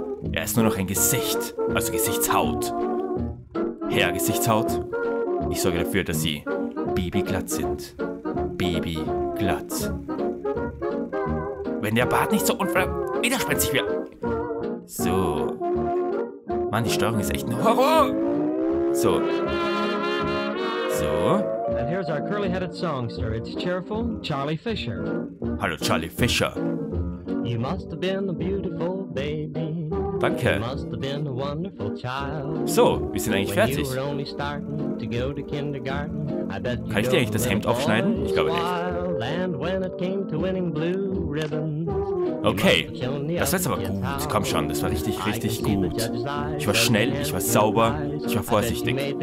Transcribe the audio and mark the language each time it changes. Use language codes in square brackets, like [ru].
[de] Er ist nur noch ein Gesicht, also Gesichtshaut. Herr Gesichtshaut, ich sorge dafür, dass Sie babyglatt sind. Babyglatt. Wenn der Bart nicht so widerspenstig wird. So. Mann, die Steuerung ist echt ein Horror. So. So. [en] And here's our curly-headed songster. It's cheerful Charlie Fisher. [de] Hallo, Charlie Fisher. [en] You must have been a beautiful baby. [de] Danke. [en] You must have been a wonderful child. [de] So, wir sind eigentlich fertig. [en] When you were only starting to go to kindergarten, I bet you [de] kann ich dir eigentlich das Hemd aufschneiden? Ich glaube nicht. [en] And when it came to winning blue ribbons, [de] okay, das war jetzt aber gut. Komm schon, das war richtig, richtig gut. Ich war schnell, ich war sauber, ich war vorsichtig.